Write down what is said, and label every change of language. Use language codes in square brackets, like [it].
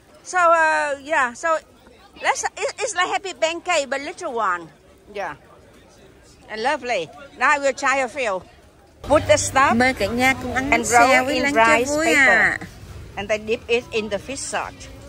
[en] So it's like happy pancake, but little one. Yeah. And lovely. Now I will try a few. Put the stuff. [vi] Mời cả nhà cùng ăn bánh xèo với Lan cho vui à. [en] And then dip it in the fish sauce.